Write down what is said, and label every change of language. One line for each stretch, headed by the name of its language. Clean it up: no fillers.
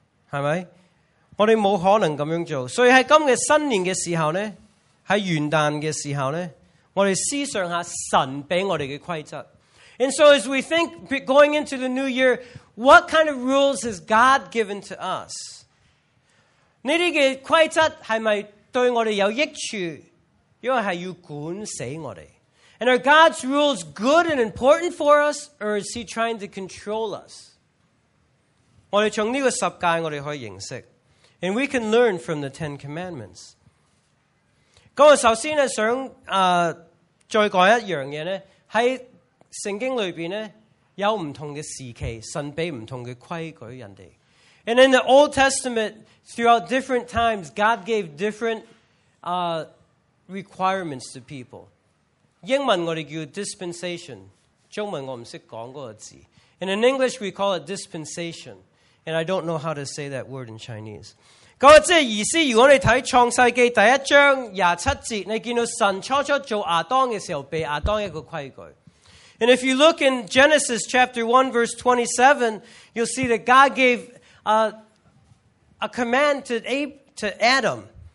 Cantonese: 系咪？我哋冇可能咁样做。所以喺今嘅新年嘅时候咧，喺元旦嘅时候咧，我哋思想下神俾我哋嘅规则。
English: And so as we think going into the new year, what kind of rules has God given to us?
Cantonese: 呢啲嘅規則係咪對我哋有益處？因為係要管死我哋。
English: And are God's rules good and important for us, or is he trying to control us?
Cantonese: 我哋从呢个十诫我哋可以认识。
English: And we can learn from the Ten Commandments.
Cantonese: 咁我首先想再讲一样嘢咧，喺圣经里边咧有唔同嘅时期，神俾唔同嘅规矩人哋。
English: And in the Old Testament, throughout different times, God gave different requirements to people.
Cantonese: 英文我哋叫 dispensation， 中文我唔识讲嗰个字。
English: And in English, we call it dispensation. And I don't know how to say that word in Chinese.
Cantonese: 咁即系意思，如果你睇创世纪第一章27节，你见到神初初做亚当嘅时候，俾亚当一个规矩。
English: And if you look in Genesis chapter 1 verse 27, you'll see that God gave a command to Adam.